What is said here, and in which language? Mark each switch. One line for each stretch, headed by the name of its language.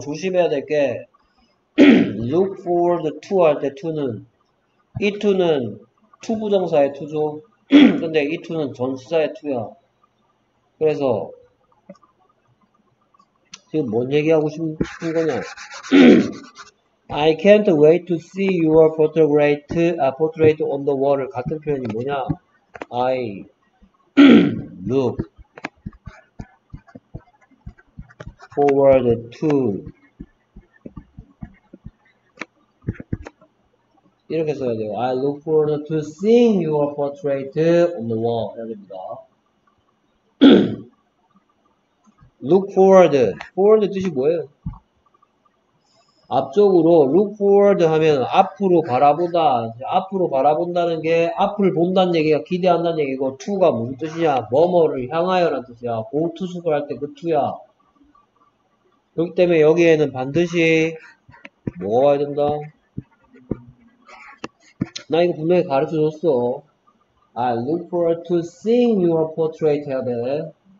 Korean: 조심해야 될 게, look forward to 할때 to는, it to는 to 부정사의 to죠. 근데 it to는 전치사의 to야. 그래서, 지금 뭔 얘기하고 싶은 거냐.
English: I can't wait to see your portrait, portrait on the wall.
Korean: 같은 표현이 뭐냐?
English: I look forward to.
Korean: 이렇게 써야 돼요.
English: I look forward to seeing your portrait on the wall.
Korean: 해야 됩니다. look forward. forward 뜻이 뭐예요? 앞쪽으로 look forward 하면 앞으로 바라본다. 앞으로 바라본다는 게 앞을 본다는 얘기가 기대한다는 얘기고 to가 무슨 뜻이냐? 뭐뭐를 향하여라는 뜻이야. go to 수거 할때그 to야. 그렇기 때문에 여기에는 반드시 뭐가 와야 된다? 나 이거 분명히 가르쳐 줬어.
English: I look forward to seeing your portrait
Korean: 해야 돼.